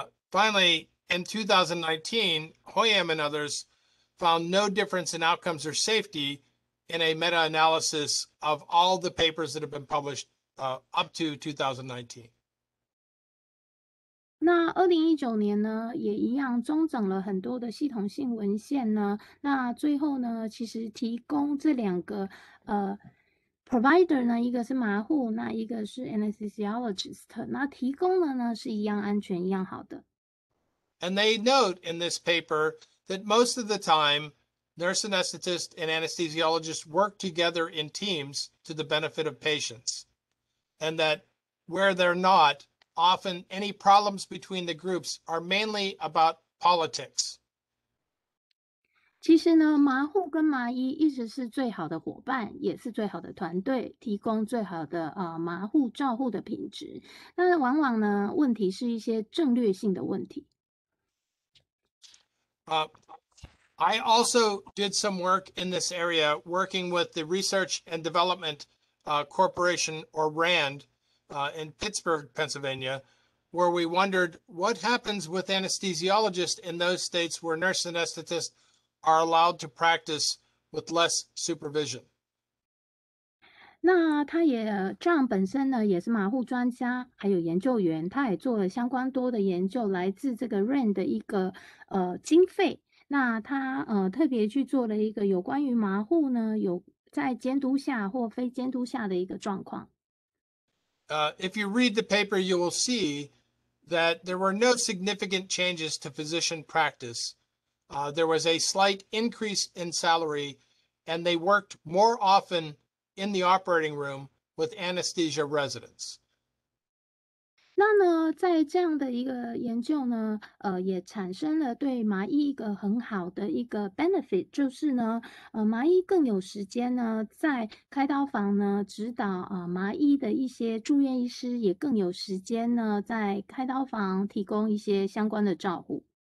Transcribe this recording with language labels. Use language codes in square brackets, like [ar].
[en] Finally, in 2019, Hoyam and others found no difference in outcomes or safety in a meta-analysis of all the papers that have been published up to 2019. [zh] 那2019年呢，也一样中整了很多的系统性文献呢，那最后呢，其实提供这两个provider 呢，一个是麻醐，那一个是 anesthesiologist， 那提供的呢，是一样安全，一样好的。 [en] And they note in this paper that most of the time, nurse anesthetists and anesthesiologists work together in teams to the benefit of patients. And that where they're not, often any problems between the groups are mainly about politics. [zh] 其实呢，麻醐跟麻医一直是最好的伙伴，也是最好的团队，提供最好的麻醐照护的品质。那往往呢，问题是一些战略性的问题。 [en] I also did some work in this area, working with the Research and Development Corporation, or RAND, in Pittsburgh, Pennsylvania, where we wondered what happens with anesthesiologists in those states where nurse anesthetists are allowed to practice with less supervision. [zh] 那他也这样本身呢，也是麻醉专家，还有研究员，他也做了相关多的研究，来自这个 RAND 的一个经费。那他特别去做了一个有关于麻醉呢，有在监督下或非监督下的一个状况。 [en] If you read the paper, you will see that there were no significant changes to physician practice. There was a slight increase in salary, and they worked more often in the operating room with anesthesia residents. [zh] 那呢，在这样的一个研究呢，也产生了对麻医一个很好的一个 benefit， 就是呢，麻医更有时间呢，在开刀房呢指导麻医的一些住院医师也更有时间呢，在开刀房提供一些相关的照护。